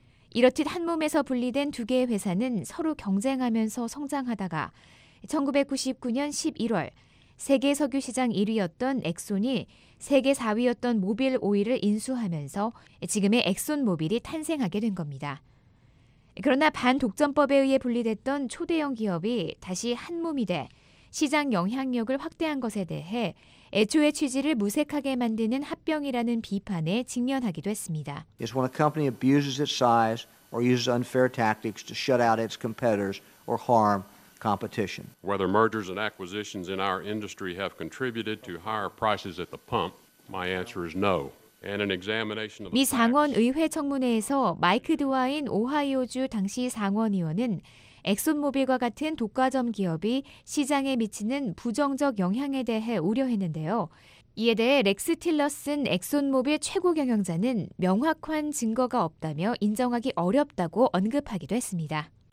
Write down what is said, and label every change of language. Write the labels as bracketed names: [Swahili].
[Korean] 이렇듯 한 몸에서 분리된 두 개의 회사는 서로 경쟁하면서 성장하다가 1999년 11월 세계 석유 시장 1위였던 엑손이 세계 4위였던 모빌 오일을 인수하면서 지금의 엑손 모빌이 탄생하게 된 겁니다. 그러나 반독점법에 의해 분리됐던 초대형 기업이 다시 한 몸이 돼 시장 영향력을 확대한 것에 대해 애초의 취지를 무색하게 만드는 합병이라는 비판에 직면하기도 했습니다. [English] It's when a company abuses its size or uses unfair tactics to shut out its competitors or harm competition. Whether mergers and acquisitions in our industry have contributed to higher prices at the pump, my answer is no. [Korean] 미 상원 의회 청문회에서 마이크 드와인 오하이오주 당시 상원의원은 엑슨모빌과 같은 독과점 기업이 시장에 미치는 부정적 영향에 대해 우려했는데요. 이에 대해 렉스 틸러슨 엑슨모빌 최고 경영자는 명확한 증거가 없다며 인정하기 어렵다고 언급하기도 했습니다.